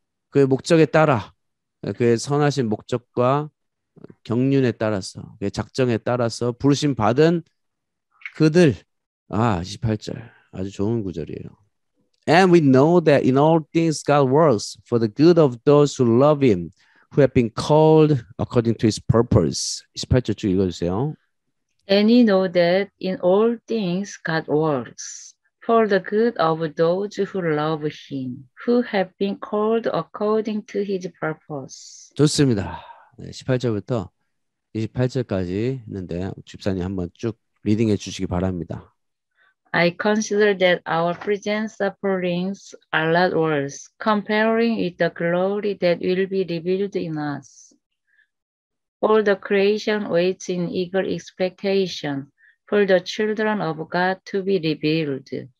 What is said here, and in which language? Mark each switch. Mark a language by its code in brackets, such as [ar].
[ko] 그의 목적에 따라, 그의 선하신 목적과 경륜에 따라서, 그의 작정에 따라서 부르심 받은 그들. 28절. 아주 좋은 구절이에요. [en] And we know that in all things God works for the good of those who love him, who have been called according to his purpose. [ko] 28절 쭉 읽어주세요. [en] And you know that in all things God works for the good of those who love him, who have been called according to his purpose. [ko] 좋습니다. 18절부터 28절까지 있는데 집사님 한번 쭉 리딩해 주시기 바랍니다. [en] I consider that our present sufferings are not worse, comparing with the glory that will be revealed in us. For the creation waits in eager expectation for the children of God to be revealed.